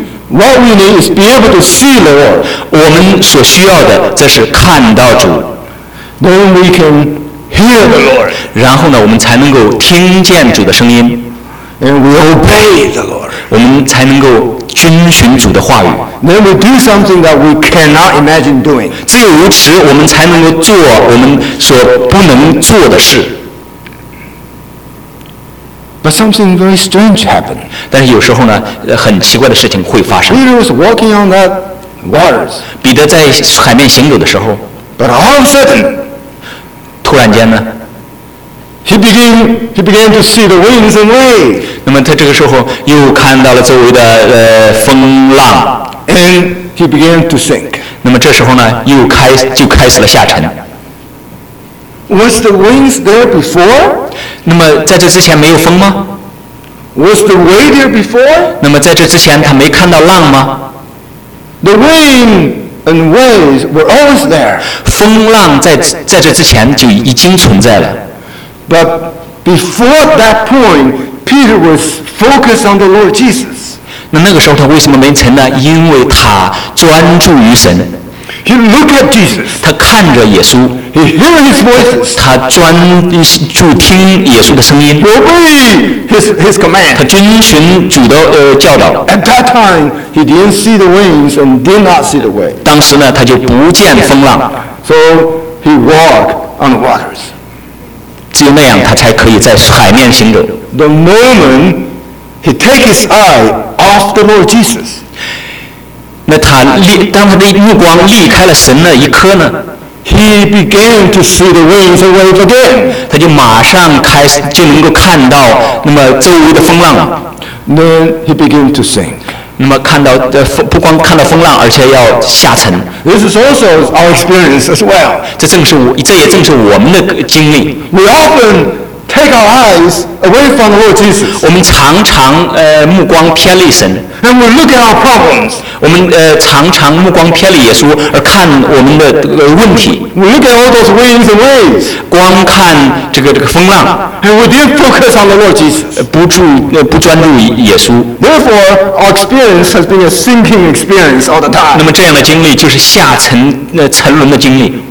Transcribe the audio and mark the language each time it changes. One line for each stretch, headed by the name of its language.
English: What we need is be able to see the Lord.
Chinese: 我们所需要的，这是看到主。
English: Then we can hear the Lord.
Chinese: 然后呢，我们才能够听见主的声音。
English: And we obey the Lord.
Chinese: 我们才能够遵循主的话语。
English: Then we do something that we cannot imagine doing.
Chinese: 只有如此，我们才能够做我们所不能做的事。
English: But something very strange happened.
Chinese: 但是有时候呢，很奇怪的事情会发生。
English: Peter was walking on that waters.
Chinese: 彼得在海面行走的时候。
English: But all of a sudden,
Chinese: 突然间呢。
English: He began to see the winds and waves.
Chinese: 那么他这个时候又看到了周围的风浪。
English: And he began to sink.
Chinese: 那么这时候呢，就开始了下沉。
English: Was the winds there before?
Chinese: 那么在这之前没有风吗
English: ？Was the wave there before?
Chinese: 那么在这之前他没看到浪吗
English: ？The wind and waves were always there.
Chinese: 风浪在这之前就已经存在了。
English: But before that point, Peter was focused on the Lord Jesus.
Chinese: 那个时候他为什么没沉呢？因为他专注于神。
English: He looked at Jesus.
Chinese: 他看着耶稣。
English: He heard His voice.
Chinese: 他专注听耶稣的声音。
English: He obeyed His command.
Chinese: 他遵循主的教导。
English: At that time, he didn't see the winds and did not see the waves.
Chinese: 当时呢，他就不见风浪。
English: So he walked on the waters.
Chinese: 只有那样，他才可以在海面行走。
English: The moment he take his eye off the Lord Jesus，
Chinese: 那他当他的目光离开了神那一刻呢
English: ？He began to see the winds and waves again。
Chinese: 他就马上开始就能够看到那么周围的风浪了。
English: Then he began to sink。
Chinese: 那么看到不光看到风浪，而且要下沉。
English: This is also our experience as well.
Chinese: 这也正是我们的经历。
English: We often t take our eyes away from the Lord Jesus.
Chinese: 我们常常目光偏离神。
English: And we look at our problems.
Chinese: 我们常常目光偏离耶稣，而看我们的问题。
English: We look at all those winds and waves.
Chinese: 光看这个风浪。
English: And we didn't focus on the Lord Jesus.
Chinese: 不专注耶稣。
English: Therefore, our experience has been a sinking experience all the time.
Chinese: 那么这样的经历就是下沉沉沦的经历。